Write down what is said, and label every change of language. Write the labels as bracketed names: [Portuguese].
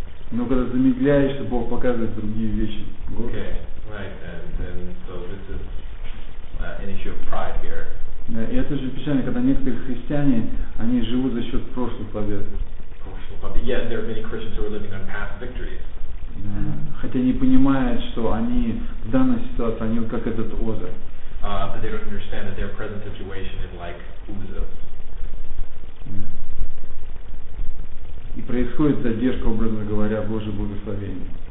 [Russian] Но когда замедляешься, Бог показывает другие вещи. [English] Okay, right. And so this is an issue of pride here. [Russian] Да, и это же печально, когда некоторые христиане, они живут за счет прошлых побед. [English] Yeah, there are many Christians who are living on past victories. [Russian] Хотя не понимают, что они в данной ситуации, они как этот Оза. [English] But they don't understand that their present situation is like Uzzah. Yeah. [Russian] И происходит задержка, образно говоря, Божьего благословения.